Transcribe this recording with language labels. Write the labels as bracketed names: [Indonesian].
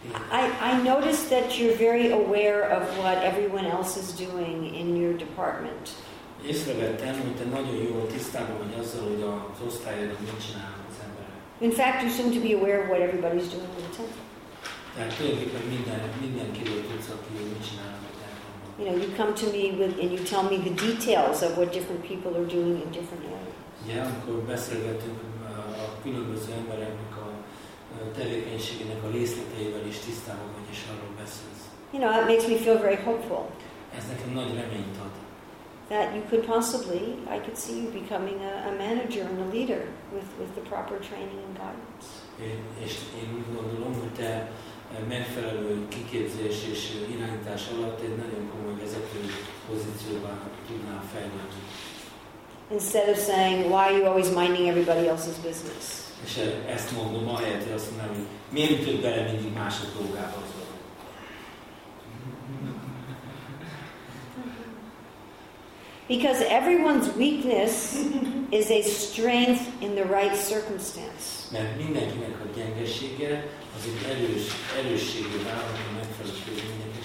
[English] I noticed that you're very aware of what everyone else is doing in your department. [Hungarian] Észrevettem, hogy te nagyon jól tisztában vagy azzal, hogy az osztályodon mit csinálnak az emberek. [English] In fact, you seem to be aware of what everybody's doing in the temple. [Hungarian] Tehát tulajdonképpen mindenkiről tudsz, aki mit csinálnak a templomban. [English] You know, you come to me with and you tell me the details of what different people are doing in different areas. [Hungarian] Yeah, amikor beszélgetünk a különböző embereknek a tevékenységének a részleteivel is tisztában vagy, és arról beszélsz. [English] You know, that makes me feel very hopeful. [Hungarian] Ez nekem nagy reményt ad. [English] That you could possibly, I could see you becoming a manager and a leader with the proper training and guidance. [Hungarian] És én úgy gondolom, hogy te megfelelő kiképzés és irányítás alatt egy nagyon komoly vezető pozícióba tudnál fejlődni. [English] Instead of saying, why are you always minding everybody else's business? [Hungarian] És ezt mondom, ahelyett, hogy azt mondom, hogy miért ütött bele mindig mások dolgába az dolog? [English] Because everyone's weakness is a strength in the right circumstance. [Hungarian] Mert mindenkinek a gyengesége az egy erősségű állam, hogy megfelelődik mindenkinek.